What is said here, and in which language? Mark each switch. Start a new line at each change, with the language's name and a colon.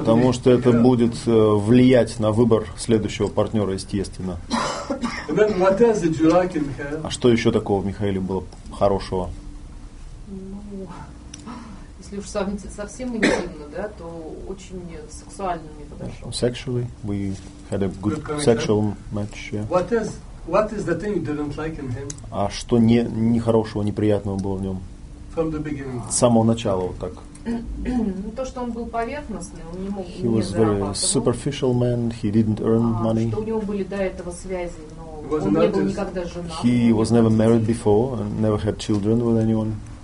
Russian: Потому что это будет влиять на выбор следующего партнера, естественно.
English: And then what else did you like in Michael?
Russian: А что еще такого в Михаиле было хорошего? Ну, если уж совсем интимно, да, то очень сексуально мне подошел.
English: Sexually, we had a good sexual match. Yeah. What is the thing you didn't like in him?
Russian: А что не хорошего, неприятного было в нем?
English: From the beginning.
Russian: С самого начала вот так. То, что он был поверхностный, он не мог.
English: He was very superficial man. He didn't earn money.
Russian: Что у него были до этого связи, но он не был никогда женат.
English: He was never married before and never had children with anyone.